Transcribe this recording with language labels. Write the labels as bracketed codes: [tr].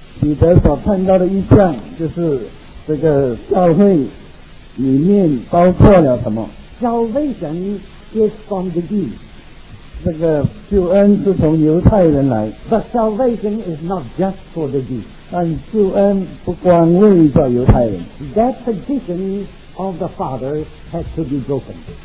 [zh] 彼得所看到的意象就是这个教会里面包括了什么。 [en] Salvation is from the deep. [zh] 这个救恩是从犹太人来。 [en] But salvation is not just for the Jews. [zh] 但救恩不光为着犹太人。 [en] That tradition of the Father had to be broken.